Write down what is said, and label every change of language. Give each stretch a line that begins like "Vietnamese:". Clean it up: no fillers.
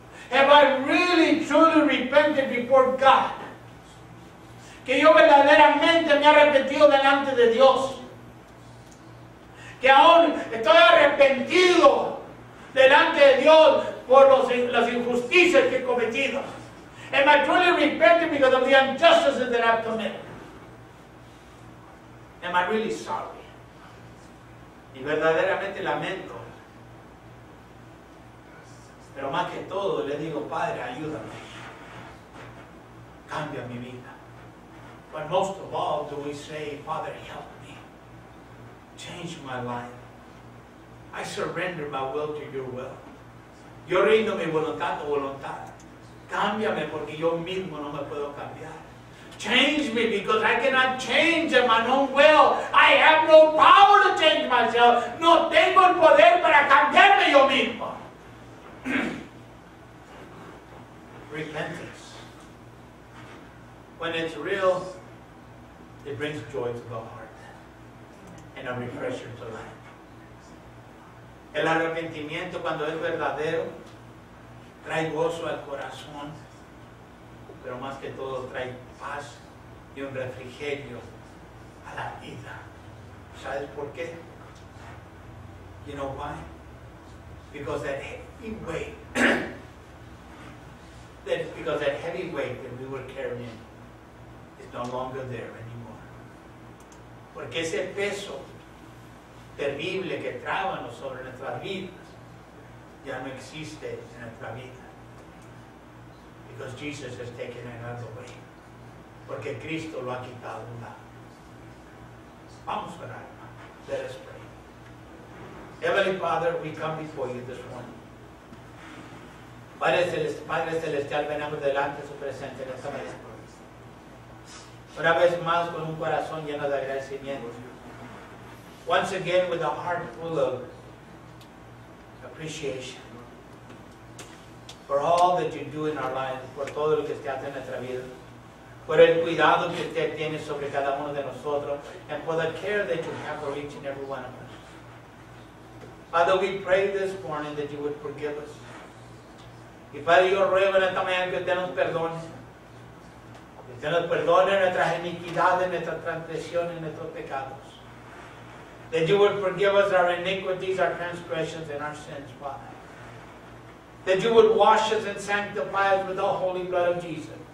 English: Have I really, truly repented before God?
Spanish: Que yo verdaderamente me he arrepentido delante de Dios. Que aún estoy arrepentido delante de Dios por las injusticias que he cometido.
English: Am I truly repenting because of the injustices that I've committed? Am I really sorry?
Spanish: Y verdaderamente lamento. Pero más que todo, le digo, Padre, ayúdame. Cambia mi vida.
English: But most of all, do we say, Father, help me. Change my life. I surrender my will to your will.
Spanish: Yo rindo mi voluntad a tu voluntad. Cámbiame porque yo mismo no me puedo cambiar.
English: Change me because I cannot change my own will. I have no power to change myself.
Spanish: No tengo el poder para cambiarme yo mismo.
English: Repentance. When it's real, it brings joy to the heart and a refresher to life.
Spanish: El arrepentimiento cuando es verdadero trae gozo al corazón, pero más que todo trae paz y un refrigerio a la vida. ¿Sabes por qué?
English: You know why? Because that heavy weight, that we were carrying is no longer there anymore.
Spanish: Porque ese peso terrible que traíamos sobre nuestras vidas ya no existe en nuestra vida.
English: Because Jesus has taken another way.
Spanish: Porque Cristo lo ha quitado una. Vamos a orar.
English: Let us pray. Heavenly Father, we come before you this morning.
Spanish: Padre Celestial, venamos delante de su presencia en esta mañana. Una vez más con un corazón lleno de agradecimiento.
English: Once again with a heart full of appreciation. For all that you do in our lives,
Spanish: por todo lo que usted hace en nuestra vida, por el cuidado que usted tiene sobre cada uno de nosotros,
English: and for the care that you have for each and every one of us. Father, we pray this morning that you would forgive us.
Spanish: Y Padre, yo ruego en esta mañana que usted nos perdone. Que usted nos perdone nuestras iniquidades, nuestras transgresiones, nuestros pecados.
English: That you would forgive us our iniquities, our transgressions, and our sins, Father. That you would wash us and sanctify us with the holy blood of Jesus.